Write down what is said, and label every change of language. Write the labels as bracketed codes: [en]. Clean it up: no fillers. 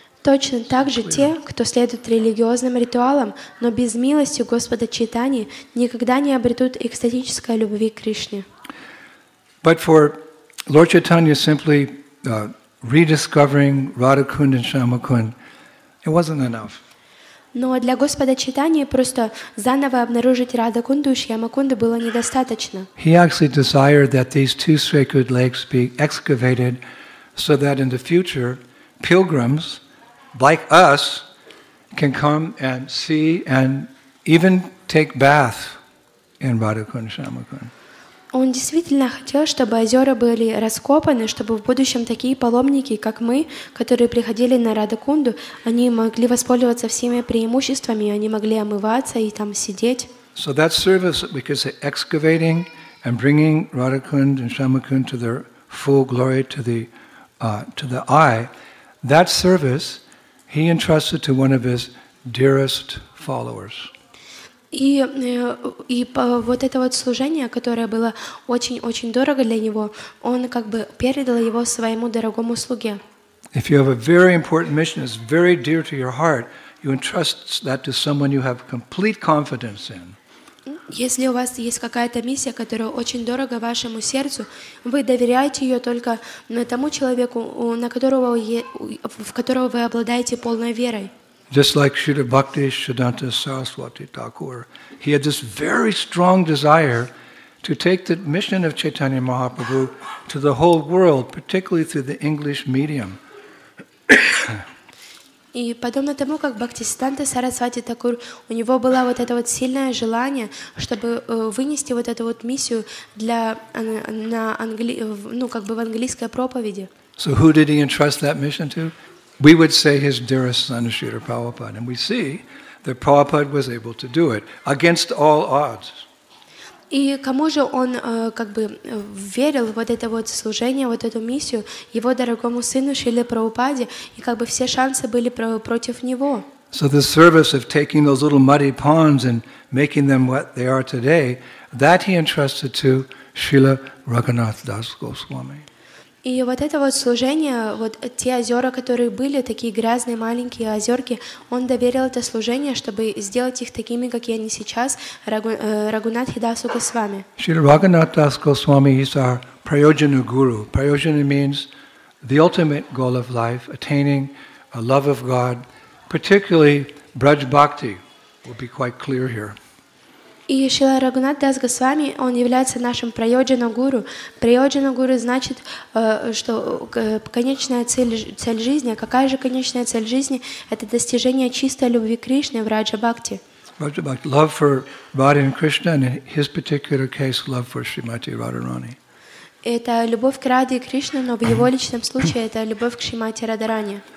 [ru] Точно так же те, кто следует религиозным ритуалам, но без милости Господа Чайтаньи, никогда не обретут экстатической любви к Кришне. [en] But for Lord Chaitanya simply rediscovering Radha Kund and Shyama Kund, it wasn't enough. [ru] Но для Господа Чайтаньи просто заново обнаружить Радха Кунду и Шьяма Кунду было недостаточно. [en] He actually desired that these two sacred lakes be excavated so that in the future pilgrims like us can come and see and even take bath in Radha Kund and Shyama Kund. [ru] Он действительно хотел, чтобы озера были раскопаны, чтобы в будущем такие паломники, как мы, которые приходили на Радха Кунду, они могли воспользоваться всеми преимуществами, они могли омываться и там сидеть. [en] So that service, because they're excavating and bringing Radha Kund and Shyama Kund to their full glory, to the eye, that service he entrusted to one of his dearest followers. [ru] И вот это вот служение, которое было очень-очень дорого для него, он как бы передал его своему дорогому слуге. [en] If you have a very important mission, it's very dear to your heart, you entrust that to someone you have complete confidence in. [ru] Если у вас есть какая-то миссия, которая очень дорога вашему сердцу, вы доверяете ее только тому человеку, в которого вы обладаете полной верой. [en] Just like Śrīla Bhakti Siddhānta Saraswati Thakur, he had this very strong desire to take the mission of Chaitanya Mahāprabhu to the whole world, particularly through the English medium. [ru] И подобно тому, как Бхакти Сиддханта Сарасвати Такур, у него было вот это вот сильное желание, чтобы вынести вот эту вот миссию для на в английской проповеди. [en] So who did he entrust that mission to? We would say his dearest son, Śrīla Prabhupāda. And we see that Prabhupāda was able to do it against all odds. [ru] И кому же он как бы верил вот это вот служение, вот эту миссию, его дорогому сыну Шриле Прабхупаде, и как бы все шансы были против него. [en] So the service of taking those little muddy ponds and making them what they are today, that he entrusted to Srila Raghunath Das Goswami. [ru] И вот это вот служение, вот те озера, которые были, такие грязные маленькие озерки, он доверил это служение, чтобы сделать их такими, какие они сейчас, Рагунатхи Дасу Госвами. [en] Шрила Рагунатхи Дасу Госвами is our Prayojana Guru. Prayojana means the ultimate goal of life, attaining a love of God, particularly Braj Bhakti will be quite clear here. [ru] И Шрила Рагунатхи Дас Госвами, он является нашим Прайоджана Гуру. Прайоджана Гуру значит, что конечная цель жизни, какая же конечная цель жизни, это достижение чистой любви Кришны в Раджа Бхакти. Раджа Бхакти. [en] Love for Radha and Krishna, and in his particular case, love for Srimati Radharani. [ru] Это любовь к Раде и Кришне, но в его личном случае это любовь к Шримати Радхарани.